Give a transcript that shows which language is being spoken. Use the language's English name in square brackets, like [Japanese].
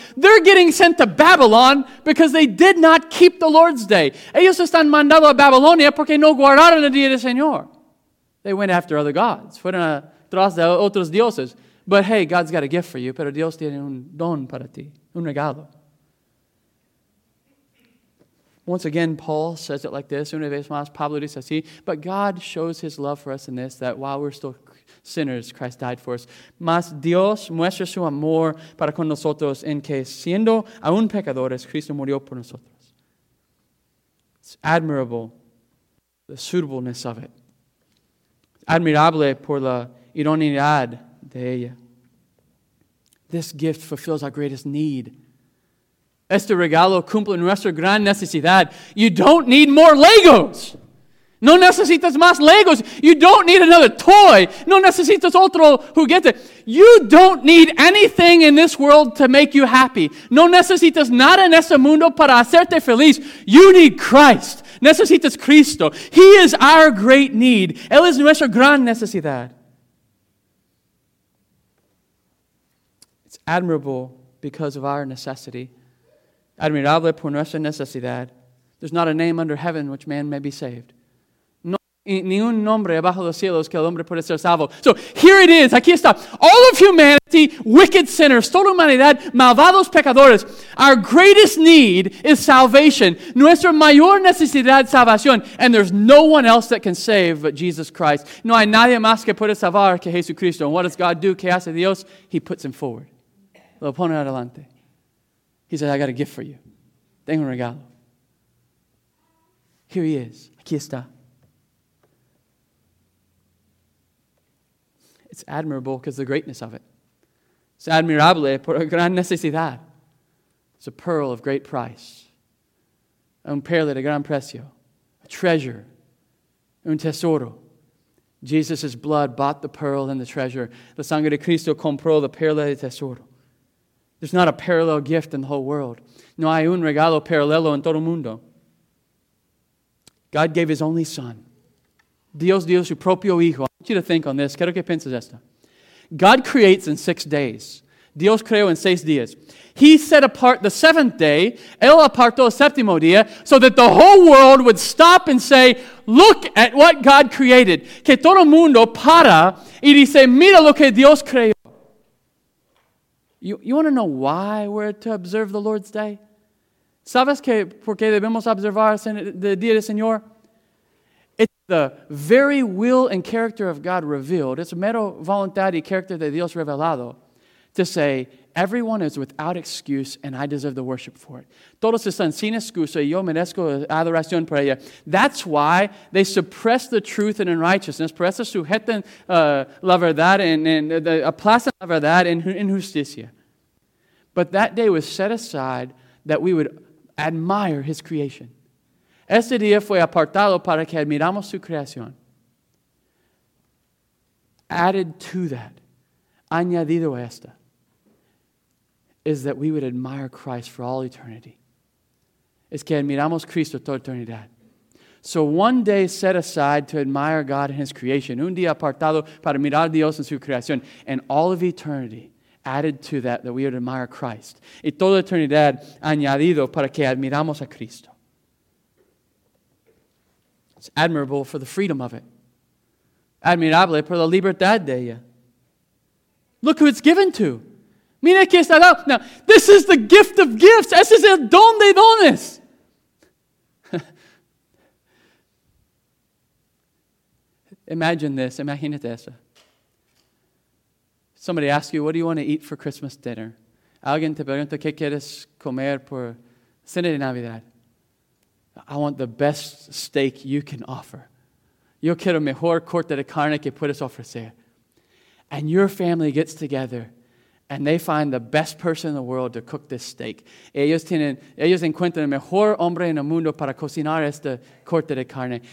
[English] They're getting sent to Babylon because they did not keep the Lord's Day. [Spanish] Ellos están mandados a Babilonia porque no guardaron el día del Señor. [English] They went after other gods. [Spanish] Fueron tras de otros dioses. [English] But hey, God's got a gift for you, [Spanish] pero Dios tiene un don para ti, un regalo. [English] Once again, Paul says it like this. [Spanish] Una vez más, Pablo dice así. [English] But God shows his love for us in this, that while we're still sinners, Christ died for us. [Spanish] Mas Dios muestra su amor para con nosotros en que siendo aún pecadores, Cristo murió por nosotros. [English] It's admirable, the suitableness of it. [Spanish] Admirable por la idoneidad de ella. [English] This gift fulfills our greatest need. [Spanish] Este regalo cumple nuestra gran necesidad. [English] You don't need more Legos. [Spanish] No necesitas más Legos. [English] You don't need another toy. [Spanish] No necesitas otro juguete. [English] You don't need anything in this world to make you happy. [Spanish] No necesitas nada en este mundo para hacerte feliz. [English] You need Christ. [Spanish] Necesitas Cristo. [English] He is our great need. [Spanish] Él es nuestra gran necesidad. [English] It's admirable because of our necessity. [Spanish] Admirable por nuestra necesidad. [English] There's not a name under heaven which man may be saved. [Spanish] No, ni un nombre abajo los cielos que el hombre puede ser salvo. [English] So here it is. [Spanish] Aquí está. [English] All of humanity, wicked sinners. [Spanish] Toda humanidad, malvados pecadores. [English] Our greatest need is salvation. [Spanish] Nuestra mayor necesidad, salvación. [English] And there's no one else that can save but Jesus Christ. [Spanish] No hay nadie más que puede salvar que Jesucristo. [English] And what does God do? [Spanish] ¿Qué hace Dios? [English] He puts him forward. [Spanish] lo pone adelante. [English] He says, I got a gift for you. [Spanish] Tengo un regalo. [English] Here he is. [Spanish] Aquí está. [English] It's admirable because of the greatness of it. [Spanish] Es admirable por gran necesidad. [English] It's a pearl of great price. [Spanish] Un perle de gran precio. [English] A treasure. [Spanish] Un tesoro. [English] Jesus' blood bought the pearl and the treasure. [Spanish] La sangre de Cristo compró la perla y el tesoro. [English] There's not a parallel gift in the whole world. [Spanish] No hay un regalo paralelo en todo el mundo. [English] God gave his only son. [Spanish] Dios dio su propio hijo. [English] I want you to think on this. [Spanish] Quiero que pienses esto. [English] God creates in 6 days. [Spanish] Dios creó en 6 días. [English] He set apart the 7th day. [Spanish] Él apartó el séptimo día. [English] So that the whole world would stop and say, look at what God created. [Spanish] Que todo mundo para y dice, mira lo que Dios creó. [English] You want to know why we're to observe the Lord's Day? [Spanish] ¿Sabes que por qué debemos observar el Día del Señor? [English] It's the very will and character of God revealed. It's [Spanish] mero voluntad y character de Dios revelado [English] to say, everyone is without excuse and I deserve the worship for it. [Spanish] Todos están sin excusa y yo merezco adoración por ella. [English] That's why they suppress the truth and unrighteousness. [Spanish] Por eso sujetan la verdad aplastan la verdad en injusticia. [English] But that day was set aside that we would admire his creation. [Spanish] Este día fue apartado para que admiramos su creación. [English] Added to that, [Spanish] añadido a esta, [English] is that we would admire Christ for all eternity. [Spanish] Es que admiramos Cristo toda eternidad. [English] So one day set aside to admire God and his creation, [Spanish] un día apartado para mirar Dios en su creación, [English] and all of eternity added to that, that we would admire Christ. [Spanish] Y toda eternidad añadido para que admiramos a Cristo. [English] It's admirable for the freedom of it. [Spanish] Admirable por la libertad de ella. [English] Look who it's given to. [Spanish] Mira que está dado. [English] Now, this is the gift of gifts. [Spanish] Ese es el don de dones. [English] Imagine this. [Spanish] Imagínate eso. [English] Somebody asks you, what do you want to eat for Christmas dinner? [Spanish] Alguien te pregunta, ¿qué quieres comer por cena de Navidad? [English] I want the best steak you can offer. [Spanish] Yo quiero mejor corte de carne que puedes ofrecer. [English] And your family gets together and they find the best person in the world to cook this steak. [Spanish] Ellos encuentran el mejor hombre en el mundo para cocinar este corte de carne.